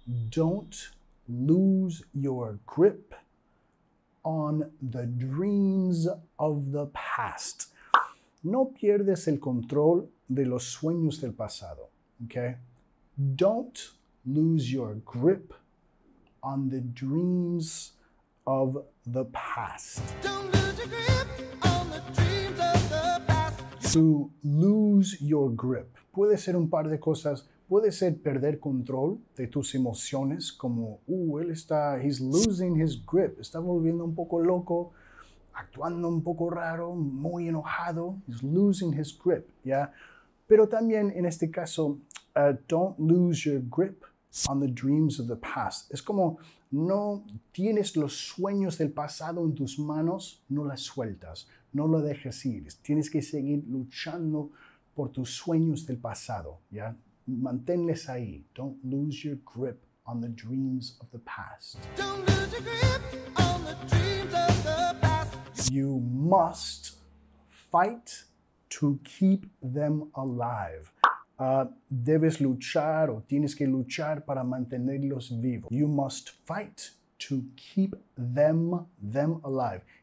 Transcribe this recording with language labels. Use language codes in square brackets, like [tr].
[en] Don't lose your grip on the dreams of the past. [es] No pierdes el control de los sueños del pasado, okay? [en] Don't lose your grip on the dreams of the past. Don't lose your grip on the dreams of the past. To lose your grip. [es] Puede ser un par de cosas. Puede ser perder control de tus emociones, como, él está, [en] he's losing his grip. [es] Está volviendo un poco loco, actuando un poco raro, muy enojado. [en] He's losing his grip, ¿ya? [es] Pero también, en este caso, [en] don't lose your grip on the dreams of the past. [es] Es como, no tienes los sueños del pasado en tus manos, no las sueltas, no lo dejes ir. Tienes que seguir luchando por tus sueños del pasado, ¿ya? Manténles ahí. [en] Don't lose your grip on the dreams of the past. Don't lose your grip on the dreams of the past. You must fight to keep them alive. [es] Debes luchar o tienes que luchar para mantenerlos vivos. [en] You must fight to keep them alive.